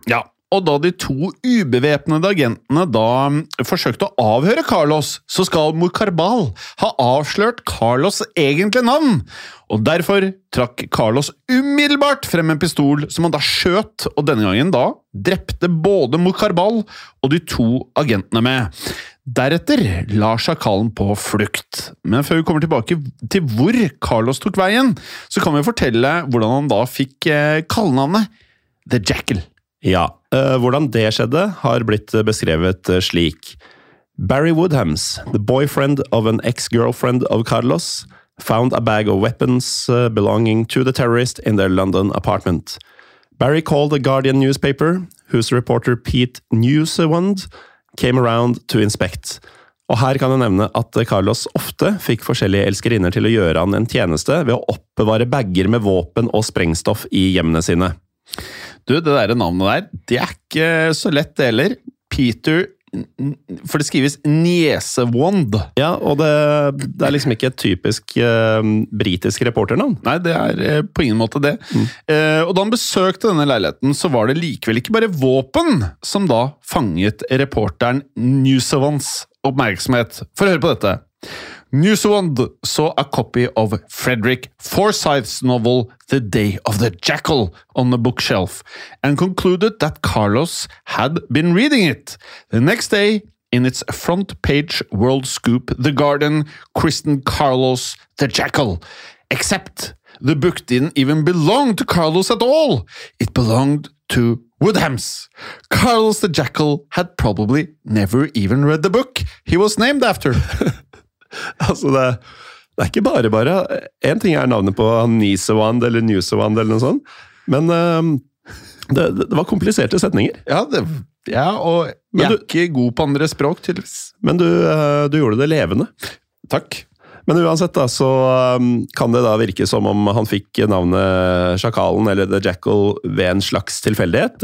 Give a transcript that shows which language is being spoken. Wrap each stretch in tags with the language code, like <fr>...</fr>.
<no>Ja, og da de to ubevepnede agentene da forsøkte å avhøre Carlos, så skal Moukarbal ha avslørt Carlos' egentlige navn, og derfor trakk Carlos umiddelbart frem en pistol som han da skjøt, og denne gangen da drepte både Moukarbal og de to agentene med. Deretter la sjakalen på flukt. Men før vi kommer tilbake til hvor Carlos tok veien, så kan vi fortelle hvordan han da fikk kallenavnet The Jackal. Ja, hvordan det skjedde har blitt beskrevet slik.</no> <en>Barry Woodhams, the boyfriend of an ex-girlfriend of Carlos, found a bag of weapons belonging to the terrorist in their London apartment. Barry called the Guardian newspaper, whose reporter Pete Newsewand came around to inspect.</en> <no>Og her kan jeg nevne at Carlos ofte fikk forskjellige elskerinner til å gjøre han en tjeneste ved å oppbevare bagger med våpen og sprengstoff I hjemmene sine. Du, det der navnet der, det ikke så lett det heller. Peter, for det skrives Niesewand. Ja, og det liksom ikke et typisk britisk reporternavn. Nei, det på ingen måte det. Mm. Og da han besøkte denne leiligheten, så var det likevel ikke bare våpen som da fanget reporteren Niesewands oppmerksomhet. For å høre på dette.</no> <en>Niesewand saw a copy of Frederick Forsyth's novel The Day of the Jackal on the bookshelf and concluded that Carlos had been reading it. The next day, in its front page world scoop, The Guardian christened Carlos the Jackal. Except the book didn't even belong to Carlos at all. It belonged to Woodhams. Carlos the Jackal had probably never even read the book he was named after.</en> <no>Altså, det ikke bare. En ting navnet på Niesewand eller Niesewand eller noe sånt. Men det var kompliserte setninger. Ja, og jeg du, ikke god på andre språk, tydeligvis. Men du gjorde det levende. Takk. Men uansett da, så kan det da virke som om han fikk navnet Sjakalen eller The Jackal ved en slags tilfeldighet.</no>